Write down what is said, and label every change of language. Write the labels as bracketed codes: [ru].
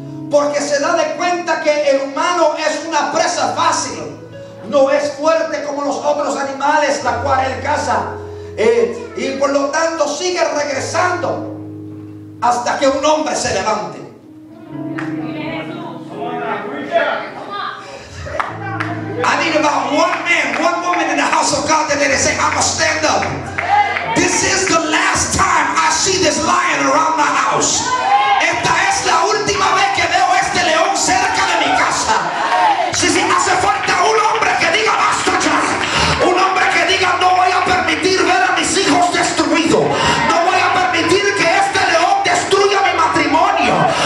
[es] Porque se da de cuenta que el humano es una presa fácil. No es fuerte como los otros animales la cual él caza. Y por lo tanto sigue regresando hasta que un hombre se levante. [en] I need about one woman in the house of God that they say, I'm gonna stand up. This is the last time I see this lion around my house. [es] Esta es la última vez que veo este león cerca de mi casa. Si se hace falta un hombre que diga basta ya. Un hombre que diga, no voy a permitir ver a mis hijos destruidos. No voy a permitir que este león destruya mi matrimonio.